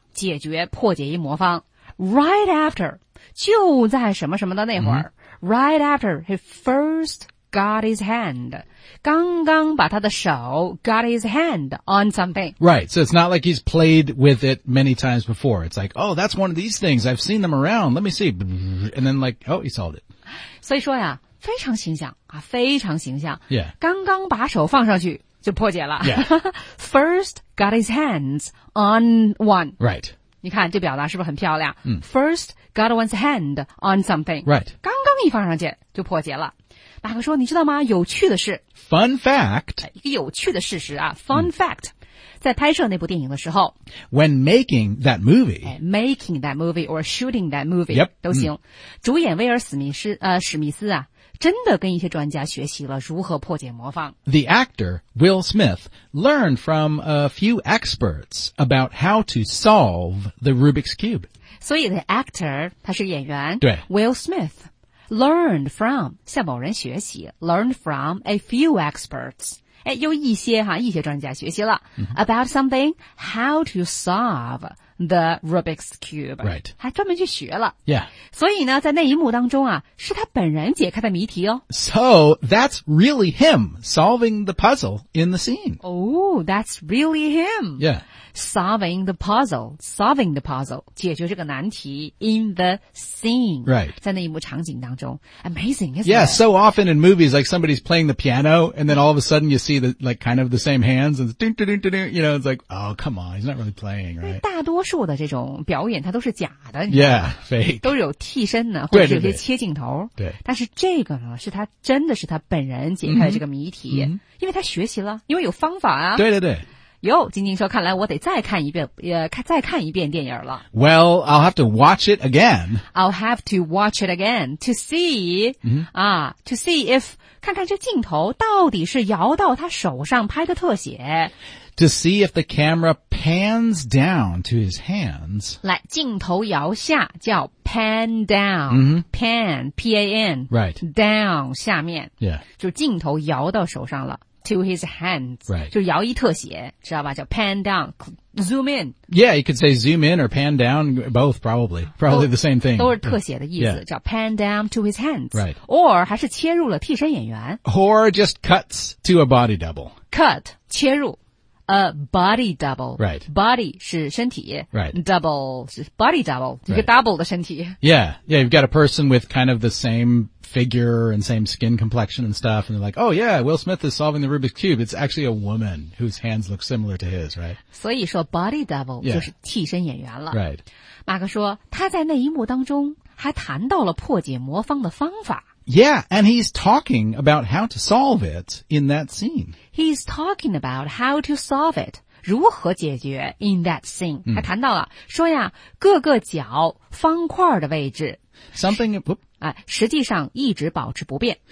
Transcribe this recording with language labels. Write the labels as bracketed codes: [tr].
[zh] 解决破解一魔方 [en] ，right after [zh] 就在什么什么的那会儿 [en] ，right after he first got his hand， [zh] 刚刚把他的手 [en] got his hand on something， right， so it's not like he's played with it many times before， it's like oh that's one of these things I've seen them around， let me see， and then like oh he solved it。 [zh] 所以说呀，非常形象啊，非常形象。 [en] Yeah. [zh] 刚刚把手放上去就破解了。 [en] Yeah. First got his hands on one. Right. [zh] 你看这表达是不是很漂亮？嗯。 [en] First got one's hand on something. Right. [zh] 刚刚一放上去就破解了。马克说，你知道吗？有趣的是。 [en] Fun fact. [zh] 一个有趣的事实啊 ， [en] Fun fact. [zh] 在拍摄那部电影的时候 [en] ，When making that movie， making that movie or shooting that movie， yep， [zh] 都行。主演威尔史密斯，史密斯啊，真的跟一些专家学习了如何破解魔方。 [en] The actor Will Smith learned from a few experts about how to solve the Rubik's Cube。 [zh] 所以 the actor 他是演员，对 [en] ，Will Smith learned from [zh] 向某人学习 [en] ，learned from a few experts。 [zh] 哎，有一些哈，一些专家学习了、 [en] about something how to solve the Rubik's cube， right， [zh] 还专门去学了 [en] ，yeah， [zh] 所以呢，在那一幕当中啊，是他本人解开的谜题哦。 [en] So that's really him solving the puzzle in the scene. Oh, that's really him. Yeah, solving the puzzle， [zh] 解决这个难题 [en] in the scene， right， [zh] 在那一幕场景当中 ， [en] amazing， isn't yeah， so often in movies, like somebody's playing the piano, and then all of a sudden you see the like kind of the same hands and ding ding ding ding， you know, it's like, oh come on, he's not really playing， right？ [zh] 大多数的这种表演它都是假的 [en] ，yeah， fake， [zh] 都有替身呢，或者有些切镜头，对。但是这个呢，是他真的是他本人解开了这个谜题， mm-hmm. 因为他学习了，因为有方法啊，对对对。哟，晶晶说，看来我得再看一遍，再看一遍电影了。 [en] Well, I'll have to watch it again. I'll have to watch it again to see,、to see if [zh] 看看这镜头到底是摇到他手上拍的特写。 [en] To see if the camera pans down to his hands. [zh] 来，镜头摇下叫 pan down,、pan, P-A-N, [en] right, down, 下面。 Yeah. [zh] 就镜头摇到手上了。 [en] To his hands, right, [zh] 就摇一特写，知道吧？叫 pan down, zoom in. [en] Yeah, you could say zoom in or pan down, both probably the same thing. [zh] 都是特写的意思， yeah. 叫 [en] pan down to his hands, right? [zh] Or 还是切入了替身演员， [en] or just cuts to a body double. Cut 切入 a body double, right? [zh] Body 是身体， [en] right? Double 是 body double， 一个 double 的身体。 Yeah, yeah, you've got a person with kind of the same. Figure and same skin complexion and stuff, and they're like, "Oh yeah, Will Smith is solving the Rubik's cube. It's actually a woman whose hands look similar to his, right?" [zh] 所以说 body double、yeah. 就是替身演员了。 [en] Right. [zh] 马克说他在那一幕当中还谈到了破解魔方的方法。 [en] Yeah, and he's talking about how to solve it in that scene. He's talking about how to solve it. 如何解决 in that scene?、 [zh] 还谈到了说呀，各个角方块的位置。 [en] Something.、 [zh] 实际上一直保持不变。